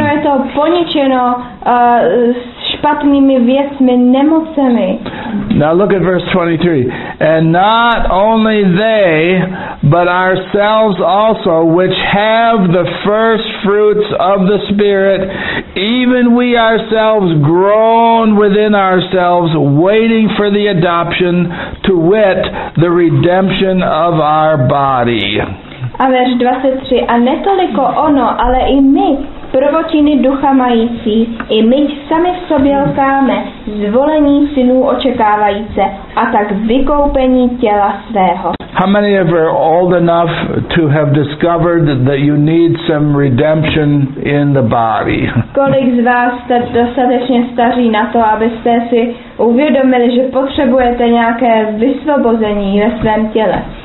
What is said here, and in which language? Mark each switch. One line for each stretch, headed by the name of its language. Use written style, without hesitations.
Czech: Je to poničeno špatnými věcmi, nemocemi.
English: Now look at verse 23. And not only they, but ourselves also, which have the first fruits of the Spirit, even we ourselves groan within ourselves, waiting for the adoption, to wit, the redemption of our body.
Czech: A verš 23. A netoliko ono, ale i my, prvotiny ducha mající, i my sami v sobě lkáme, zvolení synů očekávajíce, a tak vykoupení těla svého.
English: How many of you are old enough to have discovered that you need some redemption in the body?
Czech: Kolik z vás jste dostatečně staří na to, abyste si uvědomili, že potřebujete nějaké vysvobození ve svém těle?